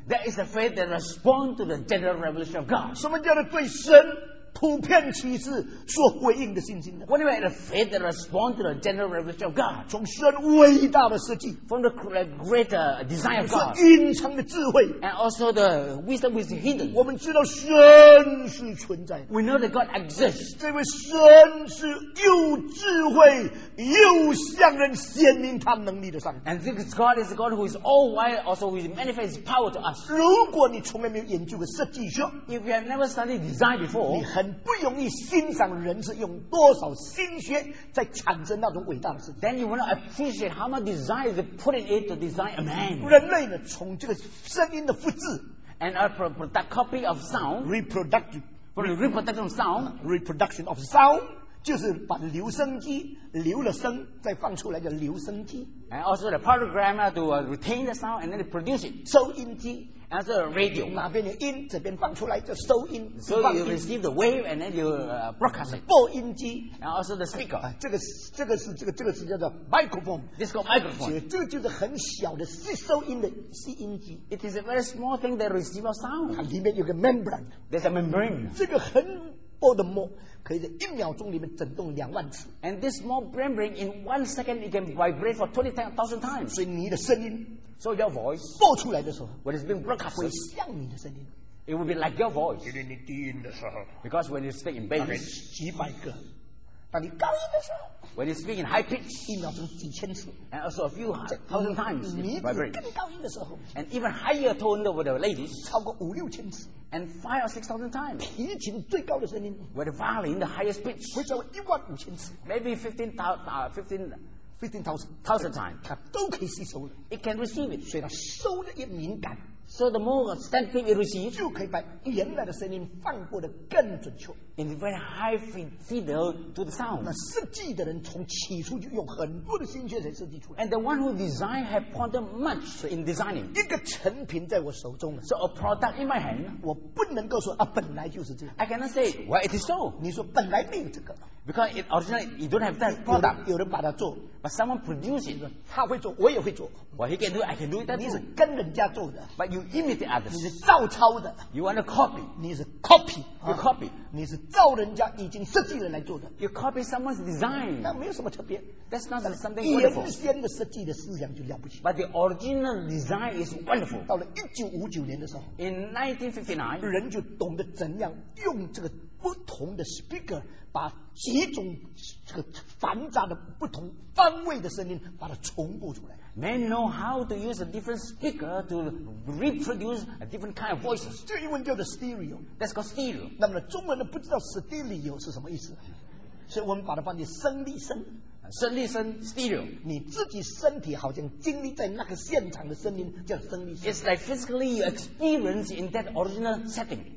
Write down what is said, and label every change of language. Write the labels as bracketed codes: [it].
[en] That is the faith that responds to the general revelation of God. [zh] 什么叫做对神普遍启示所回应的信心的。 [en] What about the faith that responds to the general revelation of God? [zh] 从神伟大的设计 [en] ，from the greater design of God， [zh] 是隐藏的智慧 [en] ，and also the wisdom which is hidden。 [zh] 我们知道神是存在的 [en] ，we know that God exists。 [zh] 这位神是又智慧又向人显明他能力的上帝。 [en] And this God is a God who is all wise, also who manifests His power to us。 [zh] 如果你从来没有研究过设计学 [en] ，if you have never studied design before。 [zh] 很不容易欣赏人是用多少心血在产生那种伟大的事。 [en] Then you will not appreciate how much desire is put in it to design a man. [zh] 人类呢，从这个声音的复制 [en] ，and a product copy of sound, reproduction of sound [zh] 就是把留声机留了声，再放出来叫留声机 [en] ，and also the program to retain the sound and then produce it. [zh] 收音机。 [en] As a radio, [zh] 哪边有音，这边放出来就收音。 [en] So you receive the wave and then you broadcast it. [zh] 播音机 [en] ，and also the speaker. [zh] 这个是叫做 microphone. [en] This is called microphone. [zh] 这个就是很小的收音的吸音机。 [en] It is a very small thing that receives sound. [zh] 它里面有个 membrane. [en] There's a membrane. [zh] 这个很薄的膜，可以在一秒钟里面震动两万次。 [en] And this small membrane in 1 second it can vibrate for 20,000 times. [zh] 所以你的声音。 [en] So your voice [zh] 播出来的时候 [en] ，when it's being broadcast， [zh] 会像你的声音。 [en] It will be like your voice。 [zh] 因为你低音的时候 [en] ，because when you speak in bass， [zh] 大概几百个。当你高音的时候 [en] ，when you speak in high pitch， [zh] 一秒钟几千次。 [en] And also a few thousand times， [zh] 你更高音的时候 [en] ，and even higher tone over the ladies， [zh] 超过五六千次。 [en] And 5,000 or 6,000 times， [zh] 提琴最高的声音 [en] ，with the violin the highest pitch， [zh] 会超过一万五千次。 [en] Maybe 15,000 times， [zh] 它都可以吸收的。 [en] It can receive it， [zh] 所以它收的越敏感。 [en] So the more sensitive it receives， [zh] 就可以把原来的声音放过的更准确。 [en] In very high fidelity to the sound。 [zh] 那设计的人从起初就用很多的心血才设计出来。 [en] And the one who designed had put much in designing。 [zh] 一个成品在我手中了。 [en] So a product in my hand， [zh] 我不能够说啊本来就是这样。 [en] I cannot say well it is so。 [zh] 你说本来没有这个。 [en] Because it originally you don't have that product， [zh] 有人把它做。 [en] But someone produce it， [zh] 他会做，我也会做。 [en] Well he can do it， I can do it that [zh] too。你是跟人家做的。 [en] But you imitate others， [zh] 你是照抄的。 [en] You want to copy， [zh] 你是 copy， [en] you copy， [zh] 你是照人家已经设计了来做的。 [en] You copy someone's design， [zh] 那没有什么特别。 [en] That's not something wonderful。 [zh] 原先的设计的思想就了不起。 [en] But the original design is wonderful。 [zh] 到了1959年的时候 [en] ，In 1959， [zh] 人就懂得怎样用这个不同的 speaker 把几种这个繁杂的不同方位的声音把它重复出来。 [en] Men know how to use a different speaker to reproduce a different kind of voices. [zh] 这英文叫做 stereo. [en] That's called stereo. [zh] 那么中文呢不知道 stereo 是什么意思，所以我们把它翻译声力声。声力声 stereo，你自己身体好像经历在那个现场的声音叫声力声。 [en] It's like physically you experience in that original setting。